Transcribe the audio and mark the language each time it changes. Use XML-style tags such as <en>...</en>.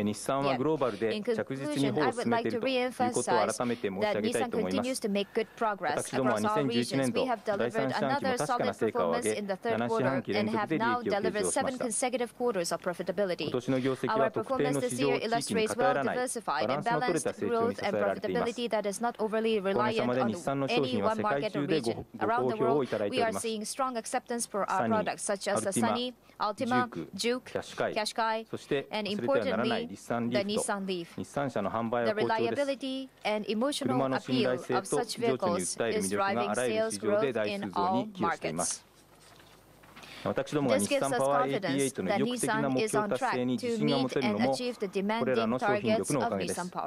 <ja>日産はグローバルで着実に歩を進めているということを改めて申し上げたいと思います。私どもは2011年度第3四半期も確かな成果を上げ、7四半期連続で利益を計上しました。今年の業績は特定の市場地域に偏らないバランスの取れた成長に支えられています。おかげさまで日産の商品は世界中でご好評</ja> <en>We are seeing strong acceptance for our products such as the Sunny, Altima, Juke, Qashqai, and importantly, the Nissan Leaf. The reliability and emotional appeal of such vehicles is driving sales growth in all markets.</en> <ja>私どもが日産パワー88の意欲的な目標達成に自信が持てるのもこれらの商品力のおかげです。</ja>